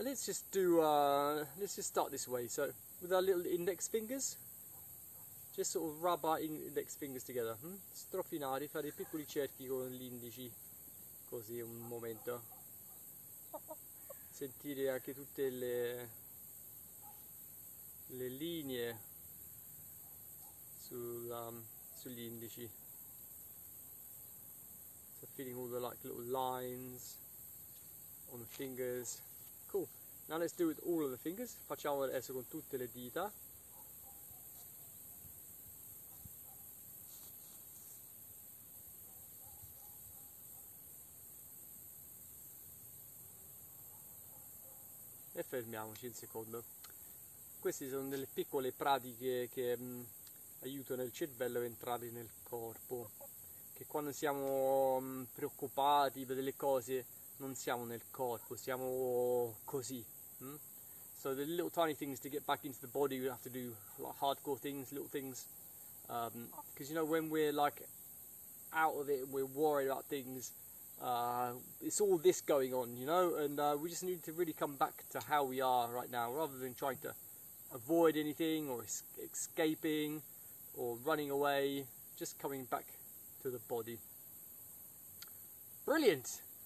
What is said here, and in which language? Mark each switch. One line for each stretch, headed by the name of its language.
English: So let's just start this way. So with our little index fingers, just sort of rub our index fingers together.
Italian: Strofinare, fare piccoli cerchi con gli indici, così un momento. Sentire anche tutte le linee sugli indici.
English: So feeling all the like little lines on the fingers. Cool. Now let's do it with all of the fingers.
Italian: Facciamo adesso con tutte le dita. E fermiamoci un secondo. Queste sono delle piccole pratiche che aiutano il cervello a entrare nel corpo. Che quando siamo preoccupati per delle cose, non siamo nel corpo, siamo così.
English: So the little tiny things to get back into the body, we have to do like hardcore things, little things. Because you know, when we're like out of it, we're worried about things, it's all this going on, you know, and we just need to really come back to how we are right now, rather than trying to avoid anything or escaping or running away, just coming back to the body. Brilliant!